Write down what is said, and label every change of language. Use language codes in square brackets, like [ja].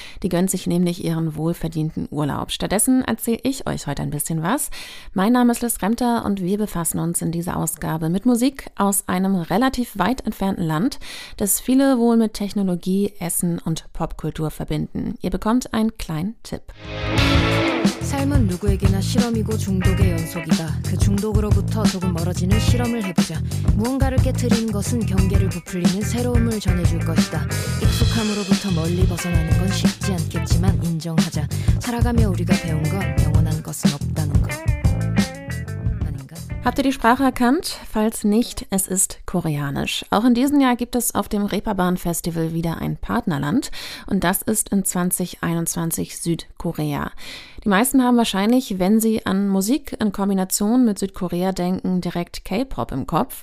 [de] Die gönnt sich nämlich ihren wohlverdienten Urlaub. Stattdessen erzähle ich euch heute ein bisschen was. Mein Name ist Liz Remter und wir befassen uns in dieser Ausgabe mit Musik aus einem relativ weit entfernten Land, das viele wohl mit Technologie, Essen und Popkultur verbinden. Ihr bekommt einen kleinen Tipp. [ko] 삶은 누구에게나 실험이고 중독의 연속이다. 그 중독으로부터 조금 멀어지는 실험을 해보자. 무언가를 깨트리는 것은 경계를 부풀리는 새로움을 전해줄 것이다. 익숙함으로부터 멀리 벗어나는 건 쉽지 않겠지만 인정하자. 살아가며 우리가 배운 건 영원한 것은 없다는 것. [de] Habt ihr die Sprache erkannt? Falls nicht, es ist Koreanisch. Auch in diesem Jahr gibt es auf dem Reeperbahn Festival wieder ein Partnerland und das ist in 2021 Südkorea. Die meisten haben wahrscheinlich, wenn sie an Musik in Kombination mit Südkorea denken, direkt K-Pop im Kopf.